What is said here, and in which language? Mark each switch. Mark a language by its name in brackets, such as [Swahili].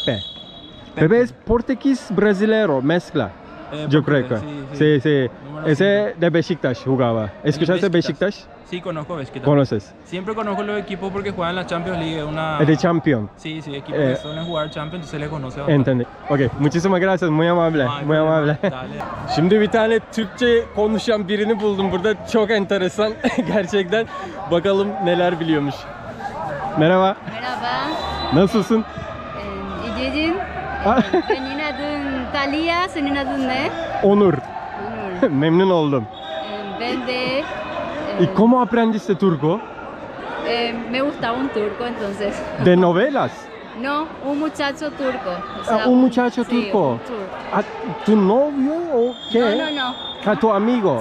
[Spanish] Pepe, Pepe es portugués-brasilero, mezcla. Yo Pepe, creo. Sí, sí. Sí, sí. Ese de Beşiktaş jugaba. ¿Escuchaste Beşiktaş? Sí, conozco Beşiktaş. ¿Conoces? Siempre conozco los equipos porque juegan la Champions League. Es de Champions. Sí, sí, equipos que suelen jugar Champions, entonces les conoce. Bastante. Entendi. Ok, muchísimas gracias. Muy amable. Muy amable. [Turkish] Şimdi bir tane Türkçe konuşan birini buldum burada. Çok enteresan. Gerçekten. Bakalım neler biliyormuş. Merhaba. Merhaba. Nasılsın? İyi geceler. Senin adın Talia, senin adın ne? Onur. Onur. Memnun oldum. Ben de. [Spanish] ¿Y cómo aprendiste turco? Me gustaba un turco, entonces. ¿De novelas? No, un muchacho turco. O sea, ¿un muchacho turco? Sí, ¿tu novio o qué? No. ¿A tu amigo?